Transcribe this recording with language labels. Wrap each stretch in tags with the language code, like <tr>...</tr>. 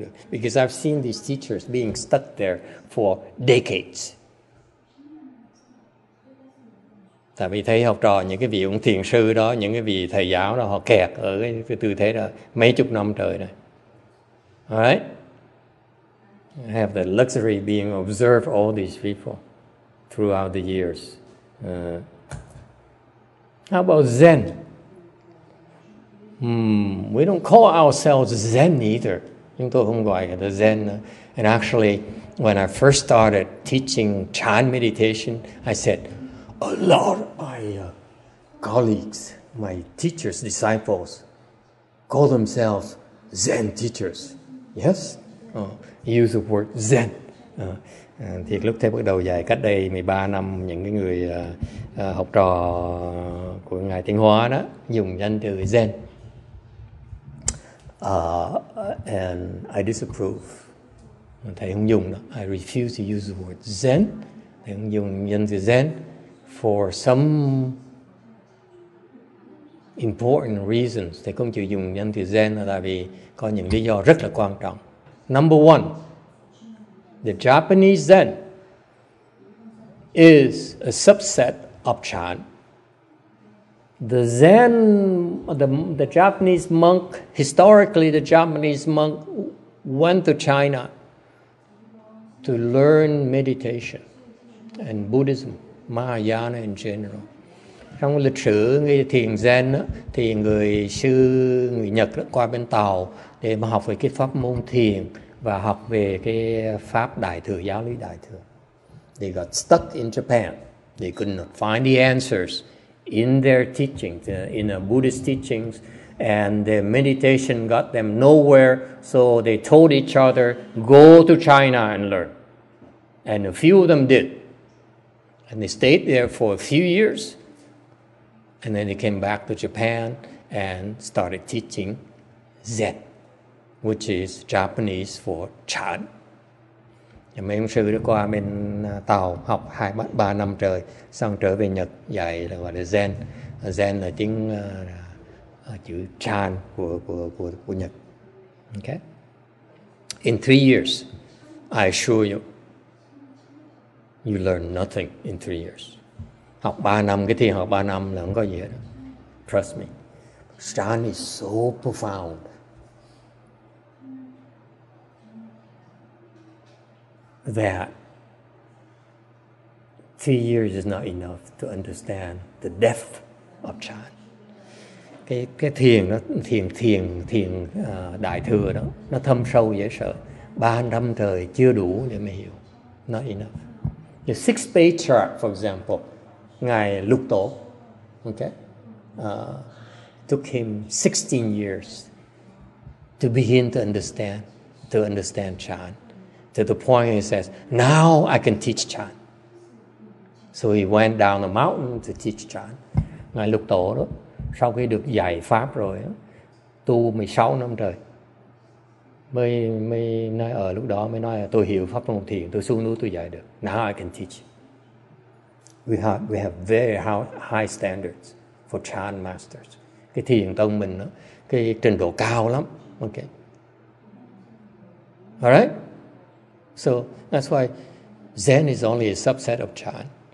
<en>Because I've seen these teachers being stuck there for decades.</en> <vi>Tại vì thấy học trò những cái vị ông thiền sư đó, những cái vị thầy giáo đó, họ kẹt ở cái tư thế đó mấy chục năm trời rồi.</vi> <en>All right? I have the luxury being observed all these people throughout the years. How about Zen? We don't call ourselves Zen either.</en> <vi>Chúng tôi không gọi là Zen.</vi> <en>And actually, when I first started teaching Chan meditation, I said, a lot of my colleagues, my teachers, disciples, call themselves Zen teachers. Yes? Use the word Zen.</en> <vi>Thì lúc thầy bắt đầu dạy cách đây 13 năm, những cái người học trò của Ngài Tiến Hóa đó dùng danh từ Zen.</vi> <en>And I disapprove.</en> <vi>Thầy không dùng đó.</vi> <en>I refuse to use the word Zen.</en> <vi>Thầy không dùng danh từ Zen.</vi> <en>For some important reasons,</en> <vi>thầy không chịu dùng danh từ Zen là tại vì có những lý do rất là quan trọng.</vi> <en>Number one, the Japanese Zen is a subset of Chan. The Zen, the Japanese monk, historically the Japanese monk went to China to learn meditation and Buddhism. Mahayana in general.</en> <vi>Trong lịch sử người thiền Zen đó, thì người sư người Nhật đã qua bên Tàu để mà học về cái pháp môn thiền và học về cái pháp đại thừa, giáo lý đại thừa.</vi> <en>They got stuck in Japan. They could not find the answers in their teachings, in the Buddhist teachings, and their meditation got them nowhere, so they told each other, go to China and learn. And a few of them did. And they stayed there for a few years, and then they came back to Japan and started teaching Zen, which is Japanese for Chan.</en> <vi>Và mấy ông sư đã qua bên Tàu học 2-3 năm trời, xong trở về Nhật dạy là gọi là Zen. Zen là tiếng chữ Chan của Nhật.</vi> <en>Okay. In 3 years, I assure you, you learn nothing in 3 years.</en> <vi>Học 3 năm, cái thiền học 3 năm là không có gì hết.</vi> <en>Trust me. Chan is so profound. That 3 years is not enough to understand the depth of Chan.</en> <vi>Cái thiền đó, thiền đại thừa đó, nó thâm sâu dễ sợ. 3 năm trời chưa đủ để mà hiểu.</vi> <en>Not enough. The six page chart, for example, Ngài Lục Tổ, okay, took him 16 years to begin to understand Chan, to the point he says, now I can teach Chan. So he went down the mountain to teach Chan.</en> <vi>Ngài Lục Tổ đó, sau khi được dạy pháp rồi, tu 16 năm trời, mới nói ở lúc đó mới nói là tôi hiểu pháp môn thiền, tôi xuống núi tôi dạy được.</vi> <en>Now I can teach. We have very high standards for Chan masters.</en> <vi>Cái thiền tông mình đó, cái trình độ cao lắm.</vi> <en>Okay. All right. So that's why Zen is only a subset of Chan.</en>